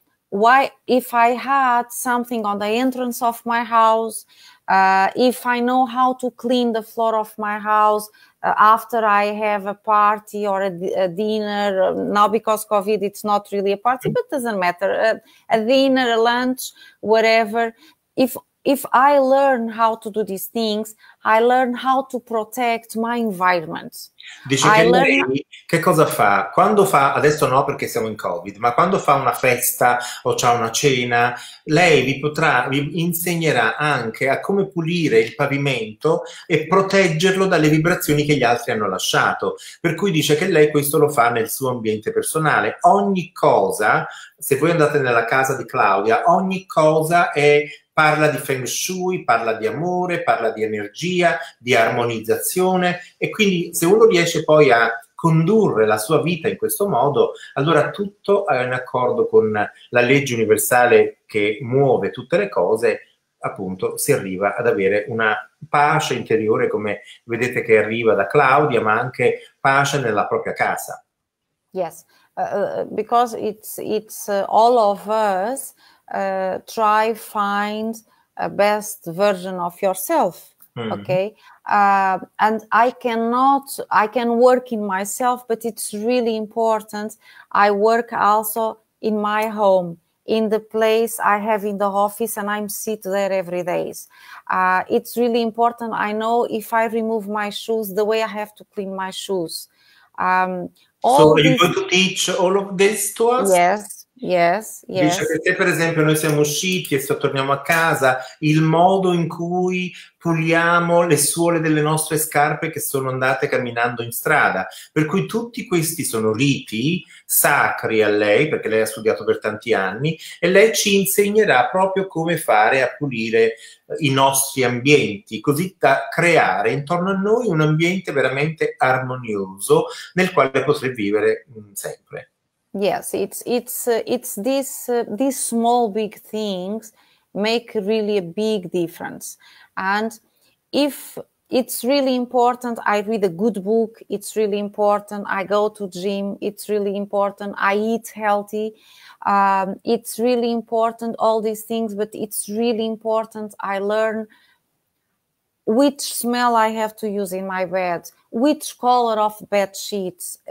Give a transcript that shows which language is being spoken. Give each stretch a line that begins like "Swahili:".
English: why if I had something on the entrance of my house, if I know how to clean the floor of my house after I have a party or a dinner, now because COVID it's not really a party, but doesn't matter, a dinner, a lunch, whatever. If I learn how to do these things, I learn how to protect my environment.
Italian: Dice che lei che cosa fa? Quando fa, adesso no perché siamo in COVID, ma quando fa una festa o c'ha una cena, lei vi insegnerà anche a come pulire il pavimento e proteggerlo dalle vibrazioni che gli altri hanno lasciato. Per cui dice che lei questo lo fa nel suo ambiente personale. Ogni cosa, se voi andate nella casa di Claudia, ogni cosa parla di Feng Shui, parla di amore, parla di energia, di armonizzazione, e quindi se uno riesce poi a condurre la sua vita in questo modo, allora tutto è in accordo con la legge universale che muove tutte le cose, appunto si arriva ad avere una pace interiore, come vedete che arriva da Claudia, ma anche pace nella propria casa.
English: Yes, because it's all of us, try find a best version of yourself. Mm-hmm. Okay, and I can work in myself, but it's really important I work also in my home, in the place I have in the office, and I'm sit there every day. It's really important I know if I remove my shoes the way I have to clean my shoes. Are you going to teach all of this to us? Yes.
Italian: Dice che se per esempio noi siamo usciti e se torniamo a casa, il modo in cui puliamo le suole delle nostre scarpe che sono andate camminando in strada. Per cui tutti questi sono riti sacri a lei, perché lei ha studiato per tanti anni, e lei ci insegnerà proprio come fare a pulire i nostri ambienti, così da creare intorno a noi un ambiente veramente armonioso nel quale potrei vivere sempre.
English: Yes, it's these small big things make really a big difference. And if it's really important, I read a good book, it's really important, I go to gym, it's really important, I eat healthy, it's really important, all these things, but it's really important I learn which smell I have to use in my bed, which color of bed sheets.